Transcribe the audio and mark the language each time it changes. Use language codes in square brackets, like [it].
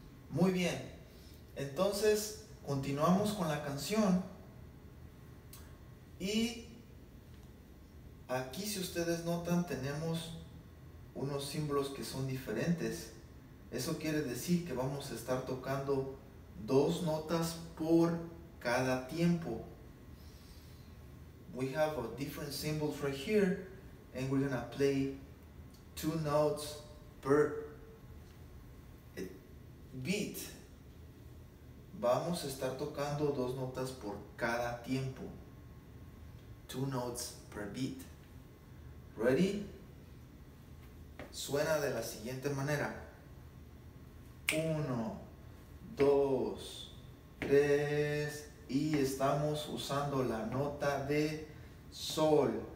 [es] Muy bien, entonces continuamos con la canción, y aquí, si ustedes notan, tenemos unos símbolos que son diferentes. Eso quiere decir que vamos a estar tocando dos notas por cada tiempo. [en] We have a different symbols right here, and we're gonna play two notes per beat. [es] Vamos a estar tocando dos notas por cada tiempo. [en] Two notes per beat. Ready? [es] Suena de la siguiente manera. Uno, dos, tres, y estamos usando la nota de sol.